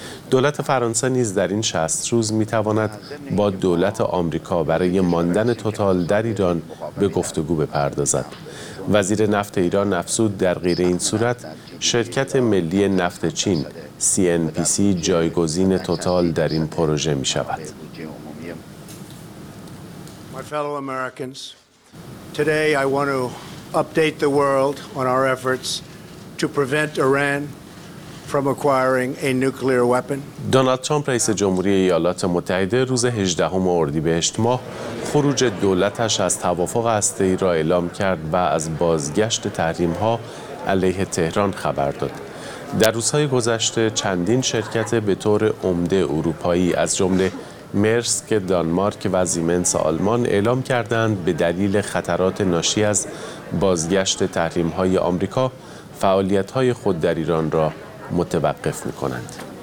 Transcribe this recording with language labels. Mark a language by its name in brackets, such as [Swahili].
[Persian] دولت فرانسه نیز در این 60 روز میتواند با دولت آمریکا برای ماندن توتال در ایران به گفتگو بپردازد. وزیر نفت ایران افزود در غیر این صورت شرکت ملی نفت چین CNPC جایگزین توتال در این پروژه می شود. [English] My fellow Americans, today I want to update the world on our efforts to prevent Iran from acquiring a nuclear weapon. [Persian] دونالد ترامپ رئیس جمهوری ایالات متحده روز 18 اردیبهشت ماه خروج دولتش از توافق هسته‌ای را اعلام کرد و از بازگشت تحریم‌ها علیه تهران خبر داد. در روزهای گذشته چندین شرکت به طور عمده اروپایی از جمله مرسک دانمارک و زیمنس آلمان اعلام کردند به دلیل خطرات ناشی از بازگشت تحریم‌های آمریکا فعالیت‌های خود در ایران را متوقف می‌کنند.